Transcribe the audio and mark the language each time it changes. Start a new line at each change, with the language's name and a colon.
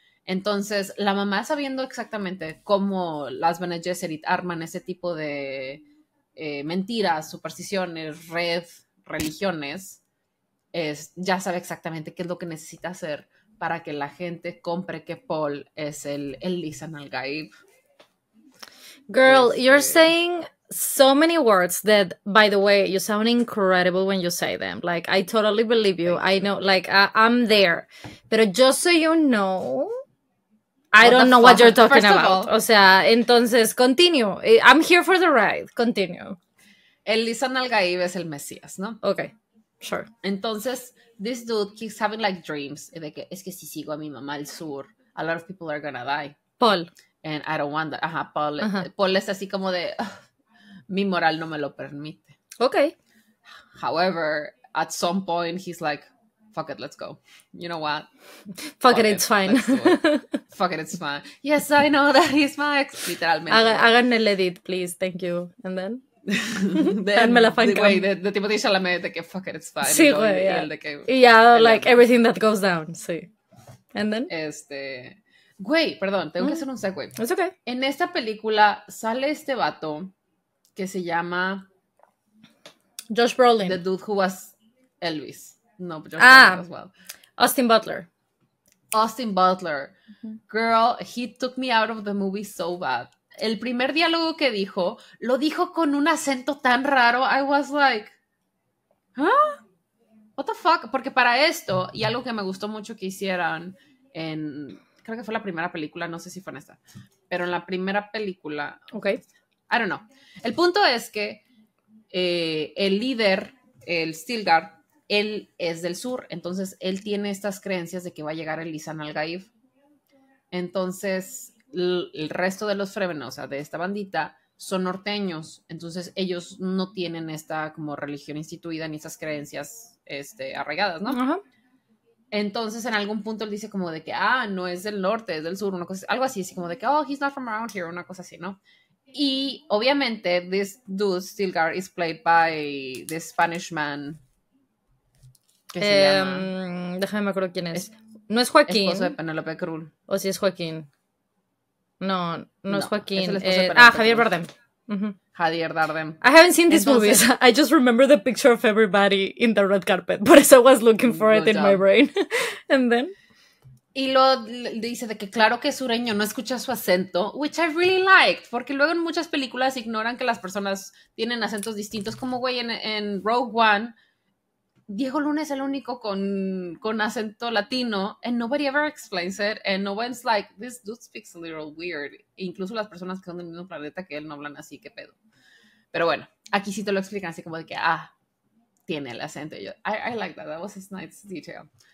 Spanish: Entonces, la mamá, sabiendo exactamente cómo las Bene Gesserit arman ese tipo de mentiras, supersticiones, religiones, ya sabe exactamente qué es lo que necesita hacer para que la gente compre que Paul es el Lisan al Gaib.
English: Girl, you're saying so many words that, by the way, you sound incredible when you say them. Like, I totally believe you. I know, like, I'm there.
Spanish: Pero
English: just so you know... I don't know what you're talking about. All,
Spanish: o sea, entonces,
English: continue. I'm here for the ride. Continue.
Spanish: El Lisan al Gaib es el Mesías, ¿no?
English: Okay, sure.
Spanish: Entonces,
English: this dude keeps having like dreams
Spanish: de que es que si sigo a mi mamá al sur,
English: a lot of people are gonna die. Paul. And I don't want that.
Spanish: Ajá,
English: Paul. Uh-huh.
Spanish: Paul es así como de, mi moral no me lo permite.
English: Okay. However, at some point, he's like, fuck it, let's go. You know what? Fuck it, it's fine. Fuck it, it's fine. Yes, I know that he's my ex.
Spanish: Literalmente. Hagan el
English: edit, please. Thank you. And then?
Spanish: Then me la fan cam. De Timothée Chalamet, de que
English: fuck it, it's fine.
Spanish: Sí, güey, ya. Y ya,
English: like, everything that goes down,
Spanish: sí.
English: And then?
Spanish: Güey, perdón, tengo que hacer un
English: segue. It's okay.
Spanish: En esta película sale este vato que se llama...
English: Josh Brolin. The dude who was Elvis. No, but Josh Brolin as well. Austin Butler. Mm-hmm. Girl, he took me out of the movie so bad.
Spanish: El primer diálogo que dijo, lo dijo con un acento tan raro.
English: I was like, huh? What the fuck?
Spanish: Porque para esto, y algo que me gustó mucho que hicieran en... Creo que fue la primera película, no sé si fue en esta. Pero en la primera película...
English: Okay. I don't know.
Spanish: El punto es que el líder, el Stilgar... Él es del sur, entonces él tiene estas creencias de que va a llegar el Lisan al Gaib. Entonces, el resto de los Fremen, o sea, de esta bandita, son norteños. Entonces, ellos no tienen esta como religión instituida ni esas creencias arraigadas, ¿no? Ajá. Entonces, en algún punto él dice como de que, ah, no es del norte, es del sur, una cosa, algo así. Es como de que,
English: oh, he's not from around here,
Spanish: una cosa así, ¿no? Y, obviamente,
English: this dude, Stilgar, is played by this Spanish man...
Spanish: Déjame, me acuerdo quién es. No es Joaquín. Esposo de Penélope Cruz. O si es Joaquín. No, es Joaquín. Es Javier Bardem. Uh-huh. Javier Bardem.
English: I haven't seen these movies. I just remember the picture of everybody in the red carpet. But as I was looking for it in my brain. And then.
Spanish: Y luego dice de que claro que es sureño, no escucha su acento,
English: which I really liked,
Spanish: porque luego en muchas películas ignoran que las personas tienen acentos distintos, como güey en Rogue One.
English: Diego Luna
Spanish: es el único con acento latino,
English: and nobody ever explains it, and no one's like, this dude speaks a little weird.
Spanish: E incluso las personas que son del mismo planeta que él no hablan así, qué pedo. Pero bueno, aquí sí te lo explican así como de que, ah, tiene el acento. Yo,
English: I like that, that was a nice detail.